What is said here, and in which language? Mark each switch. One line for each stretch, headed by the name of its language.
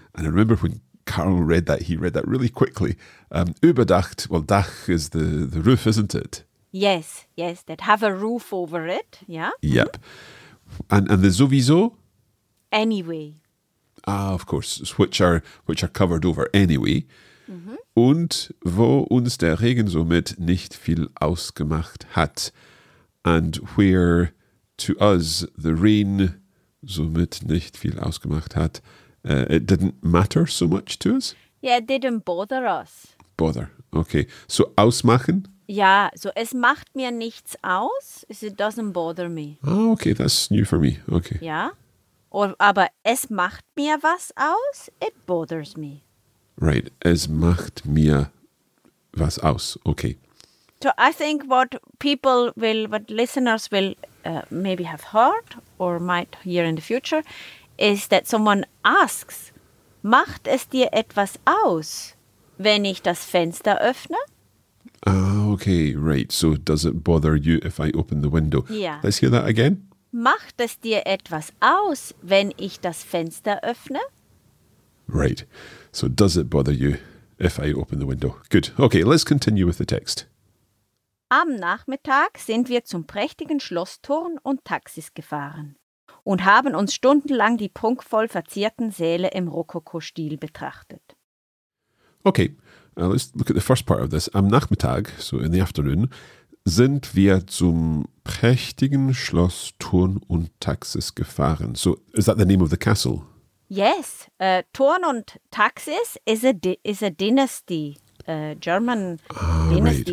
English: And I remember when Carl read that, he read that really quickly. Überdacht, well, Dach is the roof, isn't it? Yes, yes, that have a roof over it, yeah. Yep. Mm-hmm. And the sowieso? Anyway. Ah, of course, which are covered over anyway. Mm-hmm.
German: Und wo uns der Regen somit nicht viel ausgemacht hat.
English: And where to us the rain
German: somit nicht viel ausgemacht hat.
English: It didn't matter so much to us? Yeah, it didn't bother us. Bother, okay. So ausmachen?
German: Ja, so es macht mir nichts aus.
English: It doesn't bother me. Ah, okay, that's new for me. Okay.
German: Ja. Aber es macht mir was aus,
English: it bothers me.
German: Right, es macht mir was aus, okay.
English: So I think what listeners will maybe have heard or might hear in the future is that someone asks,
German: macht es dir etwas aus, wenn ich das Fenster öffne?
English: Ah, okay, right, so does it bother you if I open the window? Yeah. Let's hear that again.
German: Macht es dir etwas aus, wenn ich das Fenster öffne?
English: Right. So does it bother you if I open the window? Good. Okay, let's continue with the text.
German: Am Nachmittag sind wir zum prächtigen Schlossturm und Taxis gefahren und haben uns stundenlang die prunkvoll verzierten Säle im Rokoko-Stil betrachtet.
English: Okay, let's look at the first part of this.
German: Am Nachmittag,
English: so in the afternoon,
German: sind wir zum prächtigen Schloss Thurn und Taxis gefahren.
English: So, is that the name of the castle? Yes. Thurn und Taxis is a dynasty, a German dynasty.